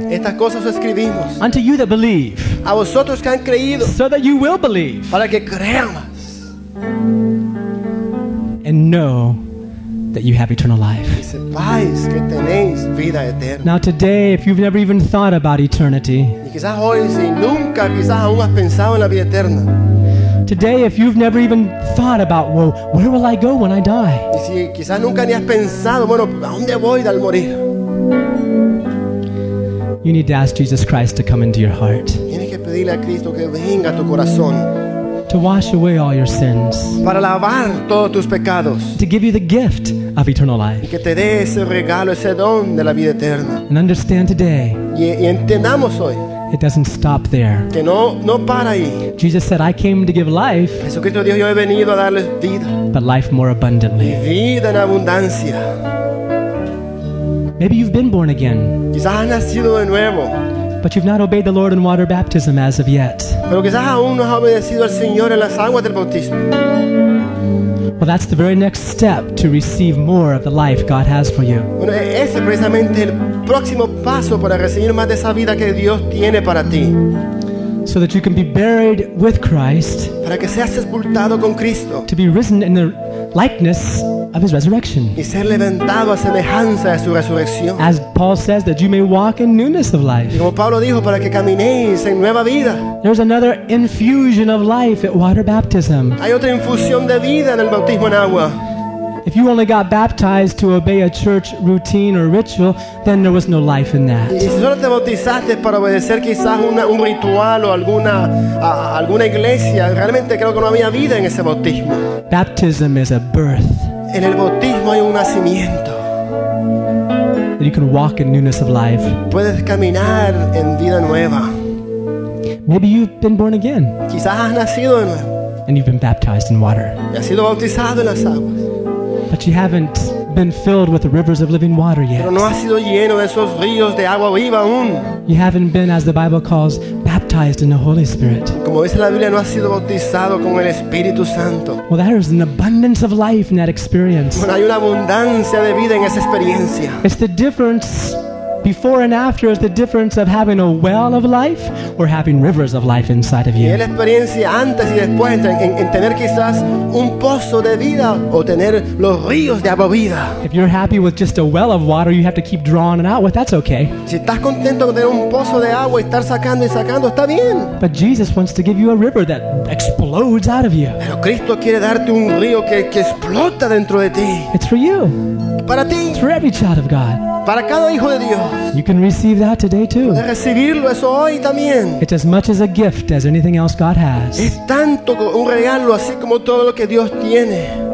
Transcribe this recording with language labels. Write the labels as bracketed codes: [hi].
[es] Estas cosas escribimos. [en] Unto you that believe. [es] A vosotros que han creído. [en] So that you will believe. [es] Para que creamos. [en] And know that you have eternal life. [es] Y sepáis que tenéis vida eterna. [en] Now today, if you've never even thought about eternity. [es] Y quizás hoy, si nunca, quizás aún has pensado en la vida eterna. [en] Today, if you've never even thought about, well, where will I go when I die? [es] Y si quizás nunca ni has pensado, bueno, ¿a dónde voy al morir? [en] You need to ask Jesus Christ to come into your heart. [es] Tienes que pedirle a Cristo que venga a tu corazón. [en] To wash away all your sins. [es] Para lavar todos tus pecados. [en] To give you the gift of eternal life. [es] Y que te dé ese regalo, ese don de la vida eterna. [en] And understand today. [es] Y entendamos hoy. [en] It doesn't stop there. [es] Que no para ahí. [en] Jesus said, I came to give life. [es] Jesucristo dijo, yo he venido a darles vida. [en] But life more abundantly. [es] Y vida en abundancia. [en] Maybe you've been born again. [es] Quizás has nacido de nuevo. [en] But you've not obeyed the Lord in water baptism as of yet. [es] Pero quizás aún no has obedecido al Señor en las aguas del bautismo. [en] Well, that's the very next step to receive more of the life God has for you. [es] Bueno, ese es precisamente el próximo paso para recibir más de esa vida que Dios tiene para ti. [en] So that you can be buried with Christ. [es] Para que seas sepultado con Cristo. [en] To be risen in the likeness of his resurrection. [es] Y ser levantado a semejanza de su resurrección. [en] As Paul says, that you may walk in newness of life. [es] Y como Pablo dijo, para que caminéis en nueva vida. [en] There's another infusion of life at water baptism. [es] Hay otra infusión de vida en el bautismo en agua. [en] If you only got baptized to obey a church routine or ritual, then there was no life in that. [es] Y si solo te bautizaste para obedecer quizás un ritual o alguna iglesia, realmente creo que no había vida en ese bautismo. [en] Baptism is a birth. [es] En el bautismo hay un nacimiento. [en] That you can walk in newness of life. [es] Puedes caminar en vida nueva. [en] Maybe you've been born again. [es] Quizás has nacido de nuevo. [en] And you've been baptized in water. [es] Y has sido bautizado en las aguas. [en] But you haven't been filled with the rivers of living water yet. [es] Pero no has sido lleno de esos ríos de agua viva aún. [en] You haven't been, as the Bible calls, baptized. baptized in the Holy Spirit. [es] Como dice la Biblia, no has sido bautizado con el Espíritu Santo. [en] Well, there is an abundance of life in that experience. [es] Bueno, hay una abundancia de vida en esa experiencia. [en] It's the difference before and after is the difference of having a well of life or having rivers of life inside of you. [es] Y la experiencia antes y después en tener quizás un pozo de vida o tener los ríos de agua viva. [en] If you're happy with just a well of water, you have to keep drawing it out. Well, that's okay. [es] Si estás contento con tener un pozo de agua y estar sacando y sacando, está bien. [en] But Jesus wants to give you a river that explodes out of you. [es] Pero Cristo quiere darte un río que explota dentro de ti. [en] It's for you. [es] Para ti. [en] It's for every child of God. [es] Para cada hijo de Dios. [en] You can receive that today too. [es] Puedes recibirlo eso hoy también. [en] It's as much as a gift as anything else God has. [es] Es tanto un regalo así como todo lo que Dios tiene.